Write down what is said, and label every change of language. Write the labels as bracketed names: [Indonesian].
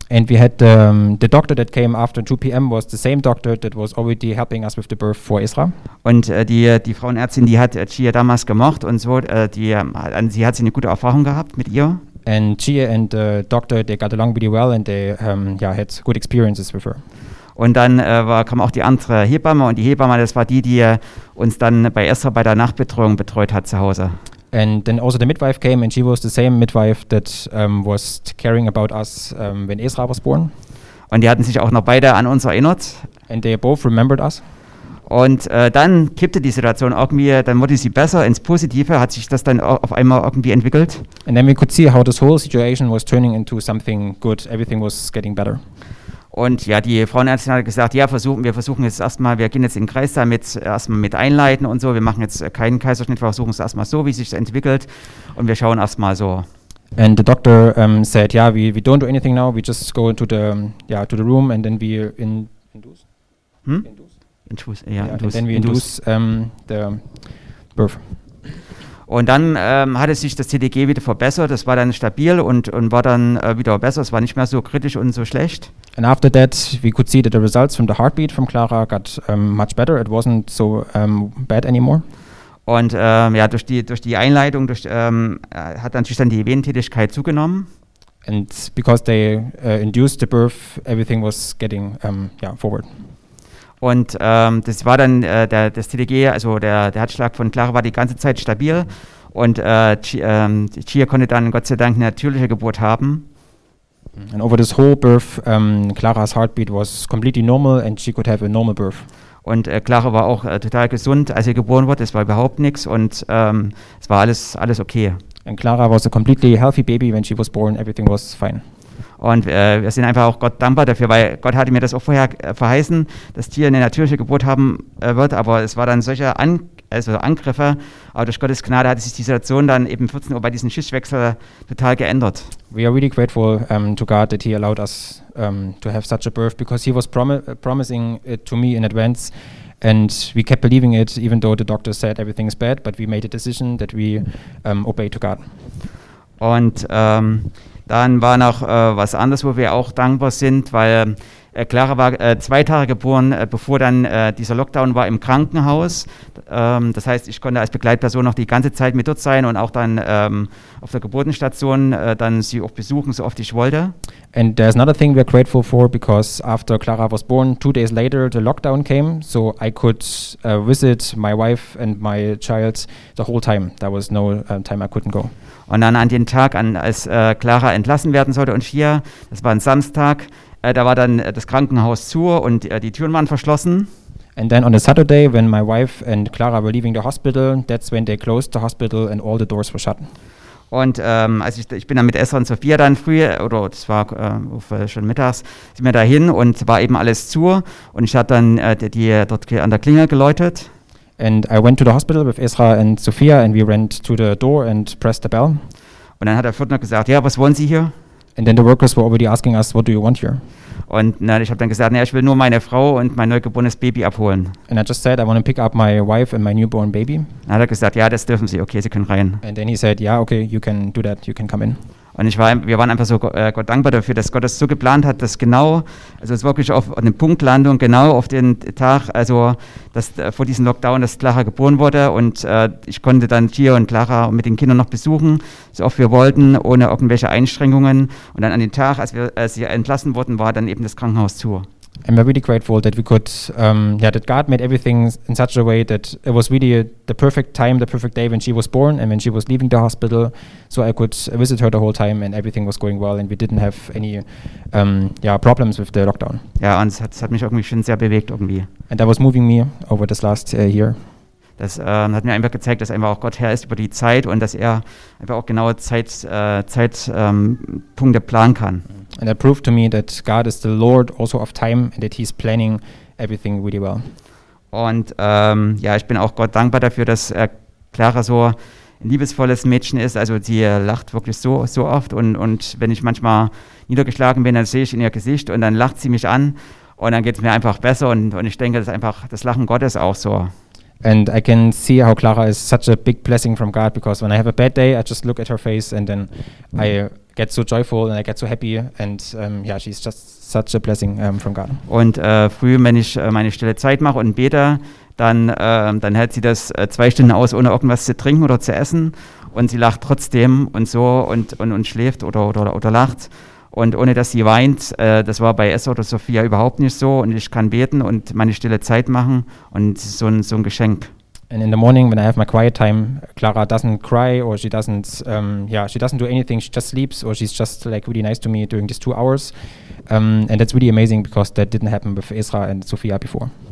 [English] And we had the doctor that came after 2 p.m. was the same doctor that was already helping us with the birth for Esra. [German] Und die Frauenärztin, die hat Gia damals gemocht und so, sie hat sie eine gute Erfahrung gehabt mit ihr. [English] And Gia and the doctor, they got along really well and they had good experiences with her. [German] Und dann kam auch die andere Hebamme und die Hebamme, das war die uns dann bei Esra bei der Nachbetreuung betreut hat zu Hause. [English] And then also the midwife came and she was the same midwife that was caring about us when Esra was born. [German] Und die hatten sich auch noch beide an uns erinnert. [English] And they both remembered us. [German] Und dann kippte die Situation irgendwie, dann wurde sie besser ins Positive, hat sich das dann auf einmal irgendwie entwickelt. [English] And then we could see how this whole situation was turning into something good, everything was getting better. [German] Und ja, die Frauenärztin hat gesagt, ja, wir versuchen jetzt erstmal, wir gehen jetzt in den Kreis damit, erstmal mit einleiten und so, wir machen jetzt keinen Kaiserschnitt, wir versuchen es erstmal so, wie sich das entwickelt und wir schauen erstmal so. [English] And the doctor said, yeah, we don't do anything now, we just go into the, to the room and then we induce. Hm? Induce the birth. [German] Und dann hatte sich das CTG wieder verbessert, das war dann stabil und war dann wieder besser, es war nicht mehr so kritisch und so schlecht. [English] And after that, we could see that the results from the heartbeat from Clara got much better, it wasn't so bad anymore. [German] Und ja, durch die Einleitung hat natürlich dann die Wehentätigkeit zugenommen. [English] And because they induced the birth, everything was getting forward. [German] Und das war dann das TDG, also der Herzschlag von Clara war die ganze Zeit stabil und Gia konnte dann Gott sei Dank eine natürliche Geburt haben. [English] And over this whole birth, Clara's heartbeat was completely normal and she could have a normal birth. [German] Und Clara war auch total gesund, als sie geboren wurde, es war überhaupt nichts und es war alles okay. [English] And Clara was a completely healthy baby when she was born, everything was fine. [German] Und wir sind einfach auch Gott dankbar dafür, weil Gott hatte mir das auch vorher verheißen, dass Tier eine natürliche Geburt haben wird, aber es war dann solche Angriffe Aber durch Gottes Gnade hat sich die Situation dann eben 14 Uhr bei diesem Schichtwechsel total geändert. [English] We are really grateful to God that he allowed us to have such a birth, because he was promising it to me in advance. And we kept believing it, even though the doctor said everything is bad, but we made a decision that we obey to God. [German] Und dann war noch was anderes, wo wir auch dankbar sind, weil Clara war 2 Tage geboren, bevor dann dieser Lockdown war, im Krankenhaus. Das heißt, ich konnte als Begleitperson noch die ganze Zeit mit dort sein und auch dann auf der Geburtenstation dann sie auch besuchen, so oft ich wollte. [English] And there's another thing we're grateful for, because after Clara was born, 2 days later the lockdown came, so I could visit my wife and my child the whole time. There was no time I couldn't go. [German] Und dann an den Tag, als Clara entlassen werden sollte und hier, das war ein Samstag, da war dann das Krankenhaus zu und die Türen waren verschlossen. [English] And then on a Saturday, when my wife and Clara were leaving the hospital, that's when they closed the hospital and all the doors were shut. [German] Und als ich bin dann mit Esther und Sophia dann früh, oder das war schon mittags, sind wir dahin und war eben alles zu. Und ich hatte dann dort an der Klingel geläutet. [English] And I went to the hospital with Esra and Sophia, and we ran to the door and pressed the bell. [German] Und dann hat der Pförtner gesagt, ja, was wollen Sie hier? [English] And then the workers were already asking us, what do you want here? [German] Und na, ich habe dann gesagt, ich will nur meine Frau und mein neugeborenes Baby abholen. [English] And I just said, I want to pick up my wife and my newborn baby. [German] Dann hat er gesagt, ja, das dürfen Sie, okay, Sie können rein. [English] And then he said, yeah, okay, you can do that, you can come in. [German] Und wir waren einfach so Gott dankbar dafür, dass Gott das so geplant hat, dass genau, also es ist wirklich auf eine Punktlandung, genau auf den Tag, also dass vor diesem Lockdown, dass Clara geboren wurde und ich konnte dann Gio und Clara mit den Kindern noch besuchen, so oft wir wollten, ohne irgendwelche Einschränkungen. Und dann an den Tag, als wir sie entlassen wurden, war dann eben das Krankenhaus zu. [English] And we're really grateful that we could, that God made everything in such a way that it was really the perfect time, the perfect day when she was born and when she was leaving the hospital, so I could visit her the whole time and everything was going well and we didn't have any problems with the lockdown. [German] Ja, und es hat mich irgendwie schon sehr bewegt irgendwie. [English] And that was moving me over this last year. [German] Das hat mir einfach gezeigt, dass einfach auch Gott Herr ist über die Zeit und dass er einfach auch genaue Zeitpunkte planen kann. [English] And that proved to me that God is the Lord also of time and that he's planning everything really well. [German] Und ich bin auch Gott dankbar dafür, dass Clara so ein liebesvolles Mädchen ist. Also sie lacht wirklich so oft und wenn ich manchmal niedergeschlagen bin, dann sehe ich in ihr Gesicht und dann lacht sie mich an und dann geht es mir einfach besser und ich denke, das ist einfach das Lachen Gottes auch so. [English] And I can see how Clara is such a big blessing from God, because when I have a bad day, I just look at her face and then I get so joyful and I get so happy and she's just such a blessing from God. [German] Und früh, wenn ich meine Stille Zeit mache und bete, dann hält sie das 2 Stunden aus, ohne irgendwas zu trinken oder zu essen, und sie lacht trotzdem und so und schläft oder lacht. Und ohne dass sie weint, das war bei Esther oder Sophia überhaupt nicht so. Und ich kann beten und meine stille Zeit machen und so ein Geschenk. [English] And in the morning, when I have my quiet time, Clara doesn't cry or she doesn't, she doesn't do anything. She just sleeps or she's just like really nice to me during these 2 hours. And that's really amazing, because that didn't happen with Esra and Sophia before.